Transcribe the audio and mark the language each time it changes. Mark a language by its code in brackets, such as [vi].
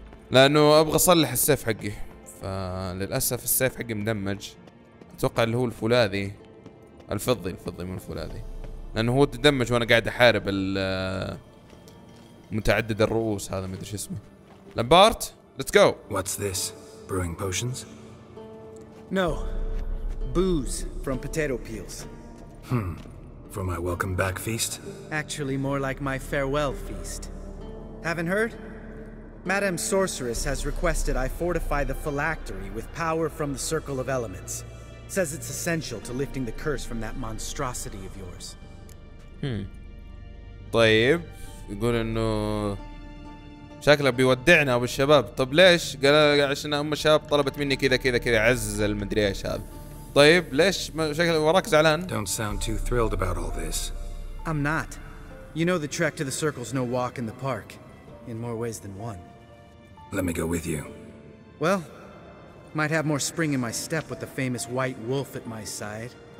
[ar] لأنه أبغى أصلح السيف حقي فللأسف السيف حقي مدمج اتوقع اللي هو الفولاذي الفضي من الفولاذي لانه هو تدمج وانا قاعد احارب متعدد الرؤوس هذا ما ادري ايش اسمه لامبارت [en] Let's go what's this brewing potions no Booze from potato peels. Hmm. For my welcome back feast? Actually, more like my farewell feast. Haven't heard? Madame Sorceress has requested I fortify the phylactery with power from the Circle of Elements. Says it's essential to lifting the curse from that monstrosity of yours. Hmm. [ar] طيب يقول انه شكله بيودعنا ابو الشباب. طب ليش؟ قال عشان ام الشباب طلبت مني كذا كذا كذا عز المدري ايش هذا. طيب ليش شكله وراك زعلان؟ [en] Don't sound too thrilled about all this. I'm not. You know the trek to the circle's no walk in the park in more ways than one. Let me go with you. Well, might have more spring in my step with the famous white wolf at my side.